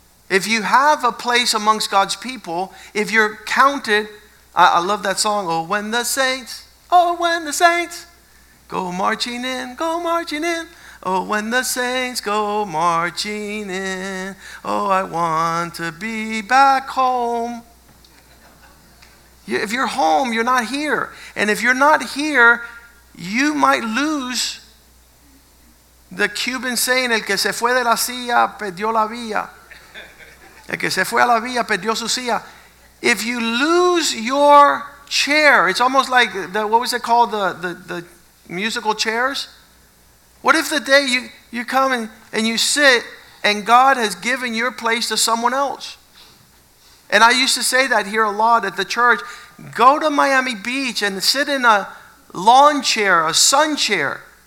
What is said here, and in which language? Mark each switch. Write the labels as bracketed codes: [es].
[en] If you have a place amongst God's people, if you're counted, I love that song, Oh, when the saints go marching in, go marching in. Oh, when the saints go marching in. Oh, I want to be back home. If you're home, you're not here. And if you're not here, you might lose the Cuban saying, [es] el que se fue de la silla perdió la villa. El que se fue a la villa perdió su silla. [en] If you lose your chair, it's almost like, the musical chairs? What if the day you come and you sit and God has given your place to someone else? And I used to say that here a lot at the church. Go to Miami Beach and sit in a lawn chair, a sun chair.